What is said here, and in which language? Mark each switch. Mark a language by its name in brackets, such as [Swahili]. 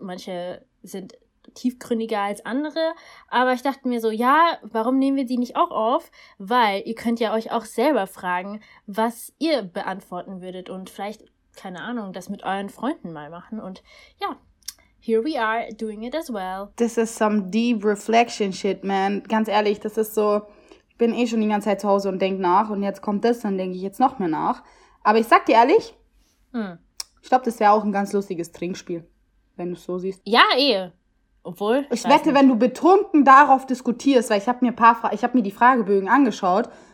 [German] Manche sind tiefgründiger als andere, aber ich dachte mir so, ja, warum nehmen wir die nicht auch auf? Weil ihr könnt ja euch auch selber fragen, was ihr beantworten würdet und vielleicht, keine Ahnung, das mit euren Freunden mal machen und ja, [English] here we are doing it as well. This is some deep reflection shit, man. [German] Ganz ehrlich, das ist so, ich bin eh schon die ganze Zeit zu Hause und denke nach und jetzt kommt das, dann denke ich jetzt noch mehr nach. Aber ich sag dir ehrlich, ich glaube, das wäre auch ein ganz lustiges Trinkspiel, wenn du es so siehst. Ja, eh. Obwohl, ich wette, nicht, wenn du betrunken darauf diskutierst, weil ich habe mir die Fragebögen angeschaut.